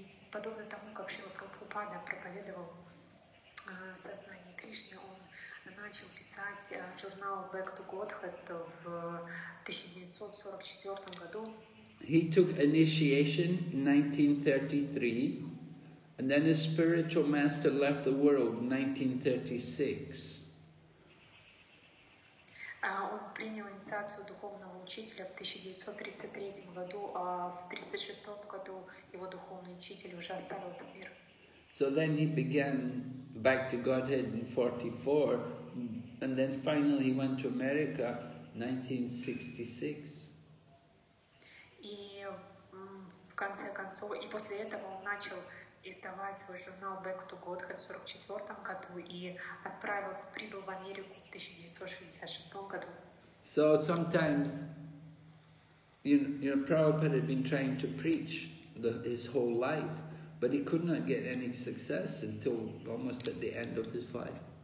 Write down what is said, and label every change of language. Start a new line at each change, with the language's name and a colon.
Russian: Подобно тому, как Шрила Прабхупада проповедовал сознание Кришны, он начал писать журнал Back to Godhead в 1944 году.
English: He took initiation in 1933, and then his spiritual master left the world in 1936.
Russian: Он принял инициацию духовного учителя в 1933 году, а в 1936 году его духовный учитель уже оставил этот мир.
English: So then he began Back to Godhead in 1944, and then finally he went to America in 1966.
Russian: И в конце концов, и после этого он начал издавать свой журнал Back to Godhead в 1944 году и прибыл в Америку в 1966 году.
English: So sometimes, you know, Prabhupada had been trying to preach his whole life, but he could not get any success until almost at the end of his life.